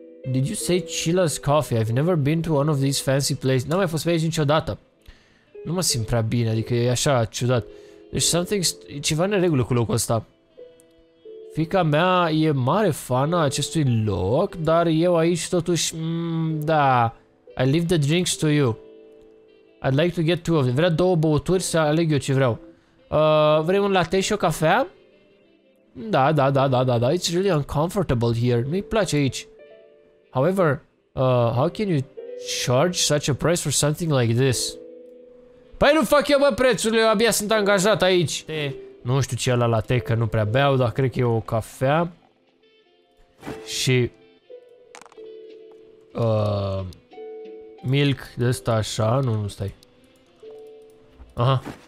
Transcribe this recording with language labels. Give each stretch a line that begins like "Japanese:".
English: Did you say Chila's Coffee? I've never been to one of these fancy places.
Romanian: N-am mai fost pe aici niciodată. Nu mă simt prea bine, adică e așa ciudat. Deci ceva în regulă cu locul ăsta. Fica mea e mare fană acestui loc, dar eu aici totuși, da.
English: I leave the drinks to you. I'd like to get two of them.
Romanian: Vrea două băuturi, să aleg eu ce vreau. Vrei un latte și o cafea? Da.
English: It's really uncomfortable here.
Romanian: Nu-i place aici.
English: However, how can you charge such a price for something like this?
Romanian: Păi nu fac eu, bă, prețurile, eu abia sunt angajat aici. Nu știu ce e ala latte, că nu prea beau, dar cred că e o cafea. Și... milk de ăsta așa, nu stai. Aha.